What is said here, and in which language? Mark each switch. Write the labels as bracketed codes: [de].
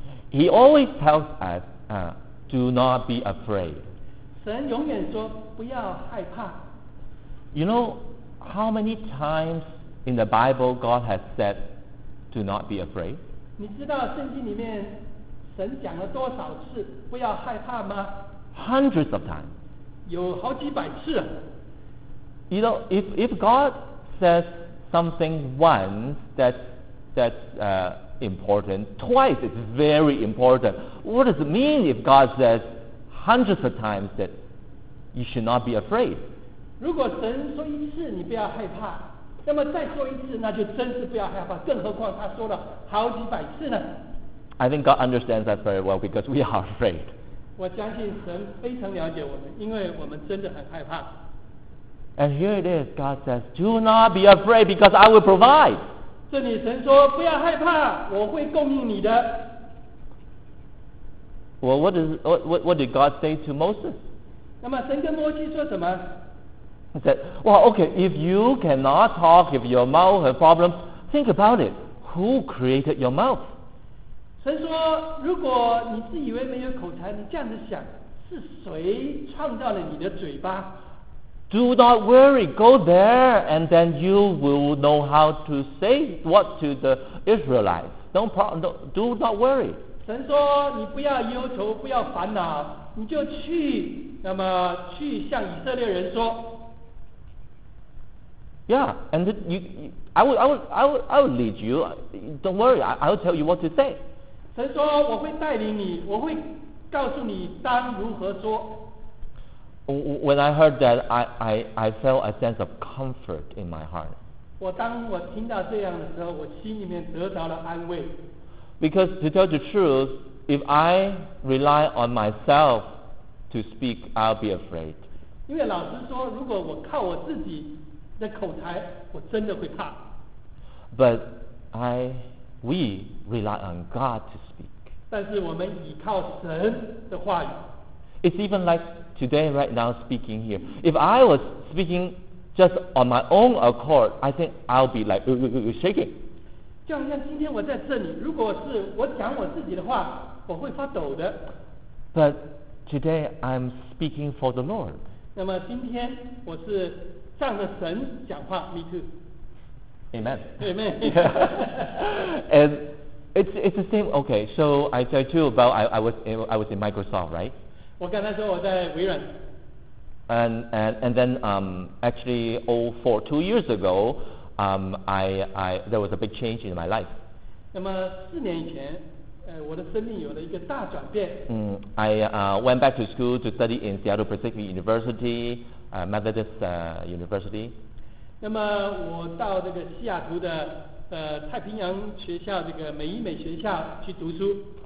[en] He always tells us, do not be afraid. [zh] 神永远说不要害怕。 [en] You know, how many times in the Bible God has said, do not be afraid? [zh] 你知道圣经里面神讲了多少次不要害怕吗？ [en] Hundreds of times. [zh] 有好几百次。 [en] You know, if God says something once that's important. Twice it's very important. What does it mean if God says hundreds of times that you should not be afraid? [zh] 如果神说一次你不要害怕，那么再说一次那就真是不要害怕，更何况他说了好几百次呢？ [en] I think God understands that very well because we are afraid. [zh] 我相信神非常了解我们，因为我们真的很害怕。 [en] And here it is, God says, do not be afraid because I will provide. [zh] 这里神说不要害怕，我会供应你的。 [en] Well, what did God say to Moses? [zh] 那么神跟摩西说什么？ [en] He said, well, okay, if you cannot talk, if your mouth has problems, think about it. Who created your mouth? [zh] 神说，如果你自以为没有口才，你这样子想，是谁创造了你的嘴巴？ [en] Do not worry, go there, and then you will know how to say what to the Israelites. Do not worry. [zh] 神说你不要忧愁，不要烦恼，你就去，那么去向以色列人说。 [en] Yeah, and I will lead you. Don't worry, I will tell you what to say. [zh] 神说我会带领你，我会告诉你当如何说。 [en] When I heard that, I felt a sense of comfort in my heart. [zh] 我当我听到这样的时候，我心里面得到了安慰。 [en] Because to tell the truth, if I rely on myself to speak, I'll be afraid. [zh] 因为老实说，如果我靠我自己的口才，我真的会怕。 [en] But we rely on God to speak. [zh] 但是我们依靠神的话语。 [en] It's even like today, right now, speaking here. If I was speaking just on my own accord, I think I'll be like shaking. [zh] 就好像今天我在这里，如果是我讲我自己的话，我会发抖的。 [en] But today I'm speaking for the Lord. [zh] 那么今天我是仗着神讲话 ， [en] me too. Amen. Amen. And it's the same. Okay, so I tell you about I was in Microsoft, right? [zh] 我刚才说我在微软。 [en] And then actually, two years ago, I there was a big change in my life. [zh] 那么四年以前，我的生命有了一个大转变。 [en] I went back to school to study in Seattle Pacific University, Methodist University. [zh] 那么我到这个西雅图的太平洋学校这个美伊美学校去读书。